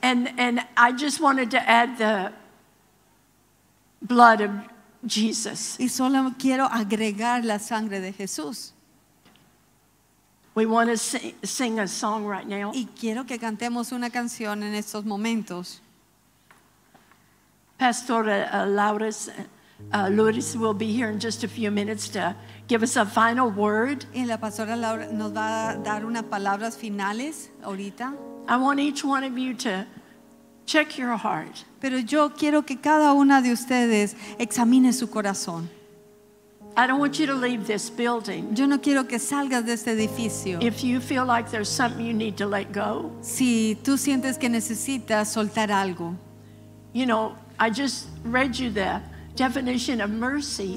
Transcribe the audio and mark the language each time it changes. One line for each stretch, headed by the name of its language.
English: And I just wanted to add the blood of Jesus.
Spanish: Y solo quiero agregar la sangre de Jesús.
English: We want to sing a song right now.
Spanish: Y quiero que cantemos una canción en estos momentos.
English: Pastor Lourdes will be here in just a few minutes to give us a final word.
Spanish: Y la pastora Laura nos va a dar unas palabras finales ahorita.
English: I want each one of you to check your heart.
Spanish: Pero yo quiero que cada una de ustedes examine su corazón.
English: I don't want you to leave this building.
Spanish: Yo no quiero que salgas de este edificio.
English: If you feel like there's something you need to let go.
Spanish: Si tú sientes que necesitas soltar algo.
English: You know, I just read you the definition of mercy.